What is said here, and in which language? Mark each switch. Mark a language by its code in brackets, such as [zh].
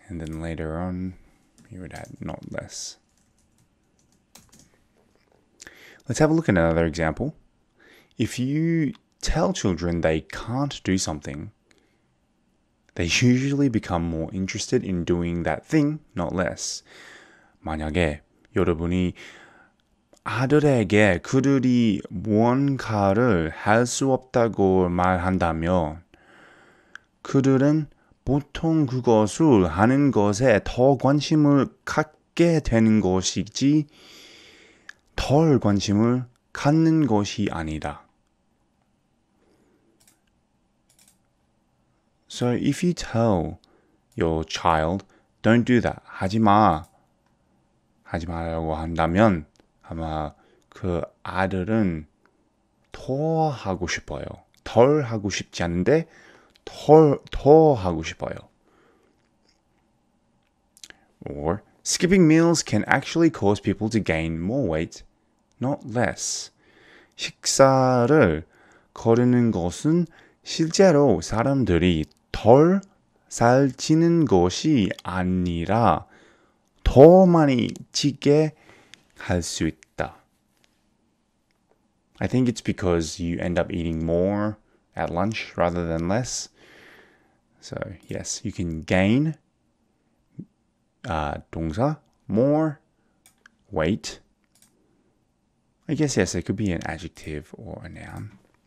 [en] And then later on, you would add not less. Let's have a look at another example. If you tell children they can't do something, they usually become more interested in doing that thing, not less. [ko] 만약에 여러분이 아들에게 그들이 무언가를 할 수 없다고 말한다면 그들은 보통 그것을 하는 것에 더 관심을 갖게 되는 것이지 덜 관심을 갖는 것이 아니다. [en] So if you tell your child, don't do that, [ko] 하지 마라고 한다면 아마 그 아들은 더 하고 싶어요. 덜 하고 싶지 않은데 더 하고 싶어요. [en] Or skipping meals can actually cause people to gain more weight, not less. [ko] 식사를 거르는 것은 실제로 사람들이 덜 살찌는 것이 아니라 더 많이 찌게 할 수 있다. [en] I think it's because you end up eating more at lunch rather than less. So yes, you can gain 동사 more weight. I guess yes, it could be an adjective or a noun.